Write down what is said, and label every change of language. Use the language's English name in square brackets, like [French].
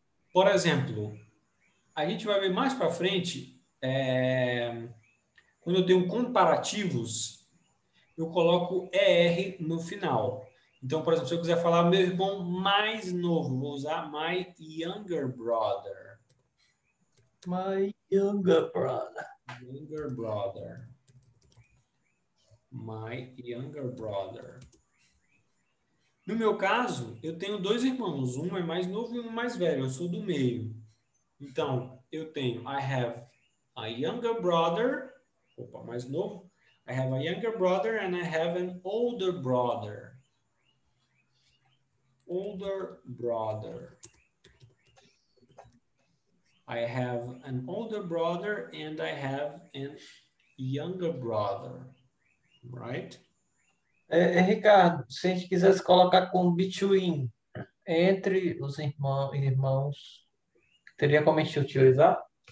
[Portuguese] Por exemplo, a gente vai ver mais para frente, quando eu tenho comparativos, eu coloco ER no final. Então, por exemplo, se eu quiser falar meu irmão mais novo, vou usar [English] my younger brother. My younger brother. Younger brother. My younger brother. [Portuguese] No meu caso, eu tenho dois irmãos. Um é mais novo e um mais velho. Eu sou do meio. Então, eu tenho... [English] I have a younger brother. [Portuguese] Opa, mais novo. [English] I have a younger brother and I have an older brother. Older brother. I have an older brother and I have an younger brother. Right? [Portuguese] Ricardo, se a gente quiser se colocar com between, entre os irmãos, teria como a gente utilizar?